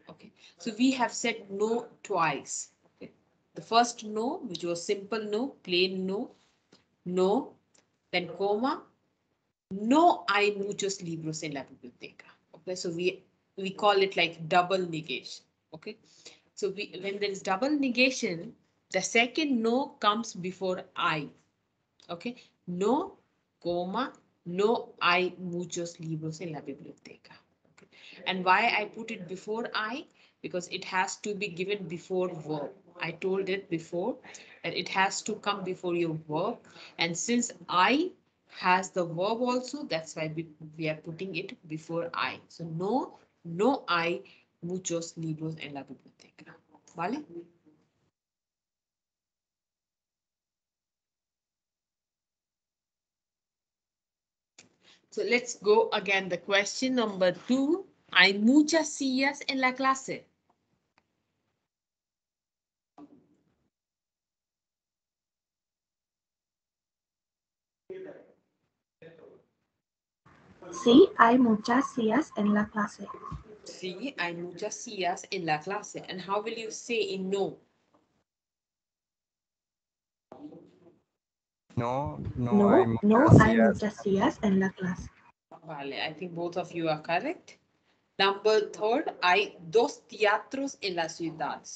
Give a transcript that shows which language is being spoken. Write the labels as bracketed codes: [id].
[en] Okay. So we have said no twice. The first no, which was simple no, plain no, no, then comma, [es] no hay muchos libros en la biblioteca. [en] Okay, so we call it like double negation. Okay, so when there is double negation, the second no comes before I. [es] Okay, no, comma, no hay muchos libros en la biblioteca. [en] Okay. And why I put it before I? Because it has to be given before verb. I told it before that it has to come before your verb. And since I has the verb also, that's why we are putting it before I. [es] So no, no hay muchos libros en la biblioteca. ¿Vale? [en] So let's go again. The question number two, [es] hay muchas sillas en la clase. Sí, hay muchas sillas en la clase. Sí, hay muchas sillas en la clase. [en] And how will you say in no? [es] No, hay muchas sillas en la clase. [en] Vale, I think both of you are correct. Number third, [es] hay dos teatros en la ciudad.